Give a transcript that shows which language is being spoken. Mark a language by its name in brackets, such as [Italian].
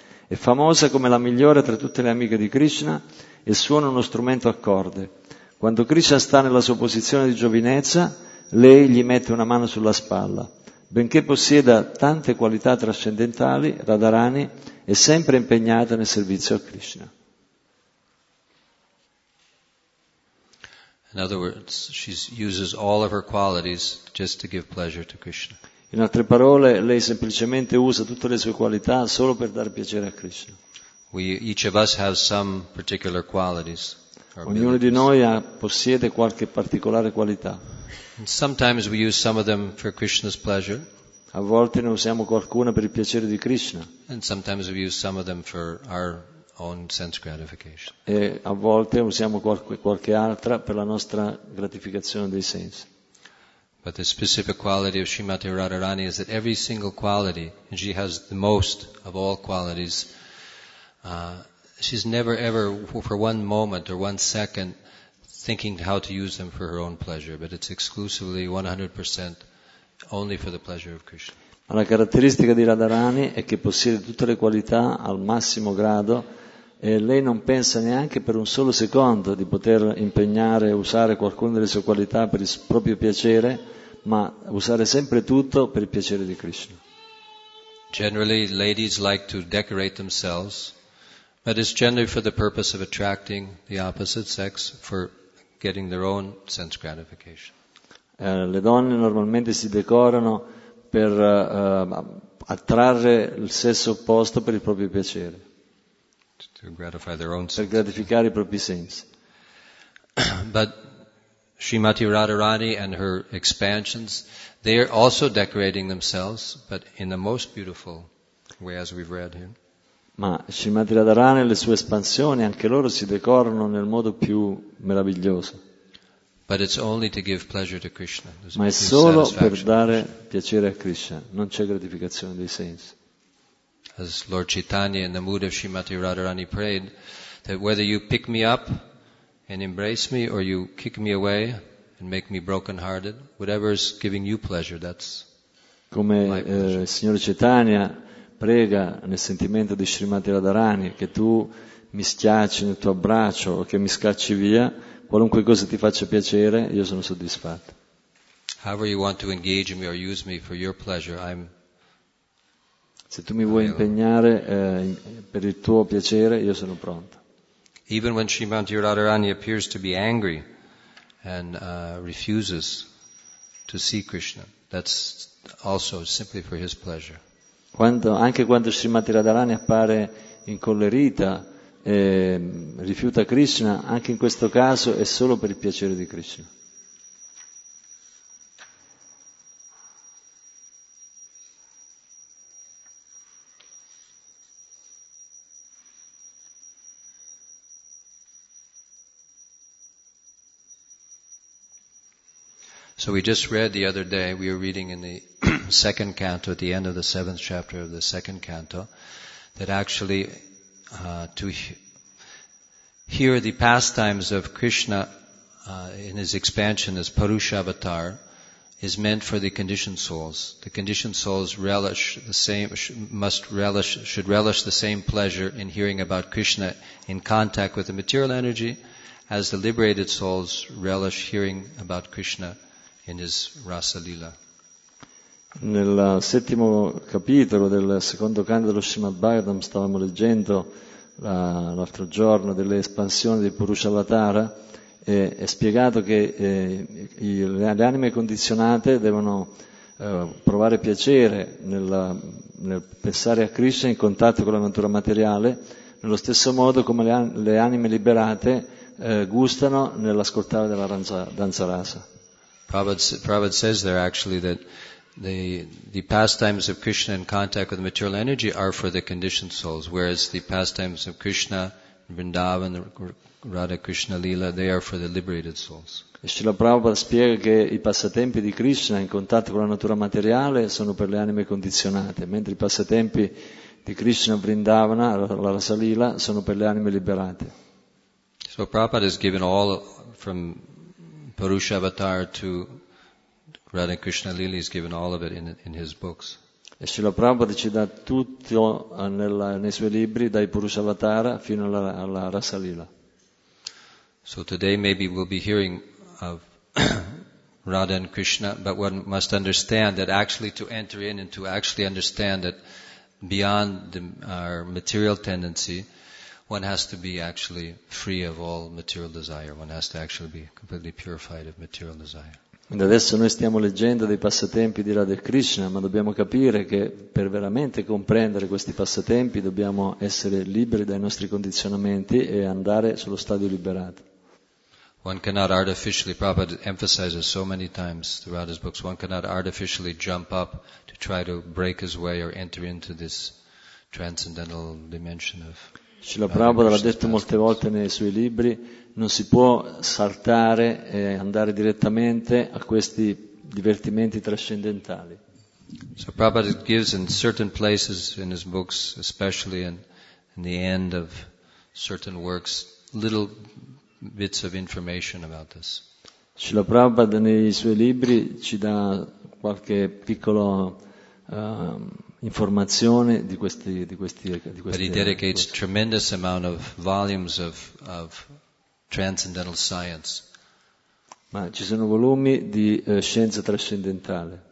[Italian] È famosa come la migliore tra tutte le amiche di Krishna e suona uno strumento a corde. Quando Krishna sta nella sua posizione di giovinezza, lei gli mette una mano sulla spalla. Benché possieda tante qualità trascendentali, Radharani è sempre impegnata nel servizio a Krishna. [English] In other words, she uses all of her qualities just to give pleasure to Krishna. [Italian] In altre parole, lei semplicemente usa tutte le sue qualità solo per dare piacere a Krishna. [English] Each of us has some particular qualities. [Italian] Ognuno di noi possiede qualche particolare qualità. [English] Sometimes we use some of them for Krishna's pleasure. [Italian] A volte ne usiamo qualcuna per il piacere di Krishna. [English] And sometimes we use some of them for our own sense gratification. [Italian] E a volte usiamo qualche altra per la nostra gratificazione dei sensi. [English] But the specific quality of Srimati Radharani is that every single quality, and she has the most of all qualities, she's never ever for one moment or one second thinking how to use them for her own pleasure, but it's exclusively 100% only for the pleasure of Krishna. [Italian] Ma la caratteristica di Radharani è che possiede tutte le qualità al massimo grado e lei non pensa neanche per un solo secondo di poter impegnare e usare qualcuna delle sue qualità per il proprio piacere, ma usare sempre tutto per il piacere di Krishna. [English] Generally ladies like to decorate themselves, but it's generally for the purpose of attracting the opposite sex for getting their own sense gratification. [Italian] Le donne normalmente si decorano per attrarre il sesso opposto per il proprio piacere. [English] To gratify their own sense. [Italian] Per gratificare i propri sensi. [English] But Srimati Radharani and her expansions, they are also decorating themselves, but in the most beautiful way, as we've read here. [Italian] Ma Srimati Radharani e le sue espansioni, anche loro si decorano nel modo più meraviglioso. [English] But it's only to give pleasure to Krishna. [Italian] Ma è solo per dare piacere a Krishna, non c'è gratificazione dei sensi. [English] As Lord Chaitanya in the mood of Srimati Radharani prayed, that whether you pick me up and embrace me or you kick me away and make me broken hearted, whatever is giving you pleasure, that's [Italian] come il Signore Chaitanya prega nel sentimento di Srimati Radharani, che tu mi schiacci nel tuo abbraccio o che mi scacci via, qualunque cosa ti faccia piacere, io sono soddisfatto. [English] However you want to engage me or use me for your pleasure, I'm... [Italian] Se tu mi vuoi impegnare per il tuo piacere, io sono pronto. [English] Even when Srimati Radharani appears to be angry and refuses to see Krishna, that's also simply for his pleasure. [Italian] Anche quando Srimati Radharani appare incollerita e rifiuta Krishna, anche in questo caso è solo per il piacere di Krishna. [English] So we just read the other day, we were reading in the second canto, at the end of the seventh chapter of the second canto, that actually to hear the pastimes of Krishna in his expansion as Purushavatar is meant for the conditioned souls. The conditioned souls relish the same, should relish the same pleasure in hearing about Krishna in contact with the material energy as the liberated souls relish hearing about Krishna in his Rasa Lila. [Italian] Nel settimo capitolo del secondo canto dello Srimad Bhagavatam stavamo leggendo l'altro giorno delle espansioni di Purushavatara. È spiegato che le anime condizionate devono provare piacere nel pensare a Krishna in contatto con la natura materiale, nello stesso modo come le anime liberate gustano nell'ascoltare della danza rasa. [English] Prabhupada says there actually that the pastimes of Krishna in contact with material energy are for the conditioned souls, whereas the pastimes of Krishna in Vrindavan, Radha Krishna Lila, they are for the liberated souls. [Italian] E Srila Prabhupada spiega che i passatempi di Krishna in contatto con la natura materiale sono per le anime condizionate, mentre i passatempi di Krishna Vrindavana, la Rasa Lila, sono per le anime liberate. [English] So Prabhupada has given all from Purushavatar to Radha Krishna Lila, he's given all of it in his books. [Italian] E Srila Prabhupada ci dà tutto nei suoi libri, dai Purushavatara fino alla Rasa Lila. [English] So today maybe we'll be hearing of Radha and Krishna, but one must understand that actually to enter in and to actually understand that beyond our material tendency, one has to be actually free of all material desire. One has to actually be completely purified of material desire. [Italian] Quindi adesso noi stiamo leggendo dei passatempi di Radha e Krishna, ma dobbiamo capire che per veramente comprendere questi passatempi dobbiamo essere liberi dai nostri condizionamenti e andare sullo stadio liberato. [English] One cannot artificially, Prabhupada emphasizes so many times throughout his books, one cannot artificially jump up to try to break his way or enter into this transcendental dimension of... [Italian] Srila Prabhupada l'ha detto molte volte nei suoi libri, non si può saltare e andare direttamente a questi divertimenti trascendentali. [English] So Prabhupada gives in certain places in his books, especially in the end of certain works, little bits of information about this. [Italian] Srila Prabhupada nei suoi libri ci dà qualche piccolo informazione di questi [English] But he dedicates tremendous amount of volumes of transcendental science. [Italian] Ma ci sono volumi di scienza trascendentale.